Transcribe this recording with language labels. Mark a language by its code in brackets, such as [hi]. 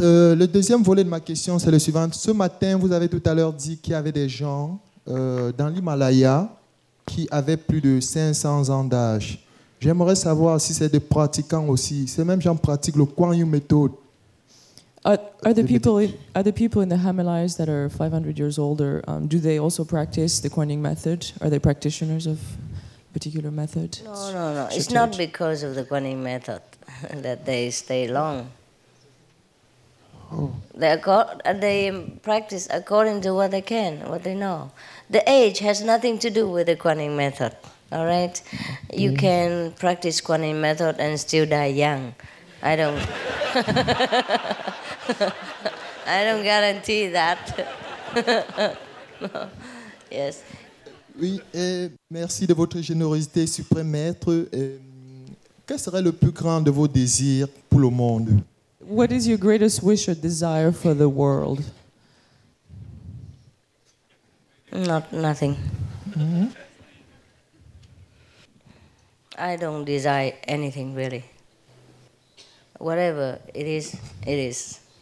[fr] Le deuxième volet de ma question, c'est le suivant. Ce matin, vous avez tout à l'heure dit qu'il y avait des gens dans l'Himalaya qui avaient plus de 500 ans d'âge. J'aimerais savoir si c'est des pratiquants aussi. Ces mêmes gens pratiquent le Kuan Yin méthode. [en] Are the people in the Himalayas that are 500 years older, do they also practice the Kuan Yin method? Are they practitioners of a particular method? No. It's not because of the Kuan Yin method that they stay long. Oh. They practice according to what they can, what they know. The age has nothing to do with the Kuan Yin method, all right? Mm-hmm. You can practice Kuan Yin method and still die young. I don't guarantee that. Yes. [fr] Oui, et merci de votre générosité, suprême maître. Quel serait le plus grand de vos désirs pour le monde? [en] What is your greatest wish or desire for the world? Nothing. Mm-hmm. I don't desire anything, really. Whatever it is, it is.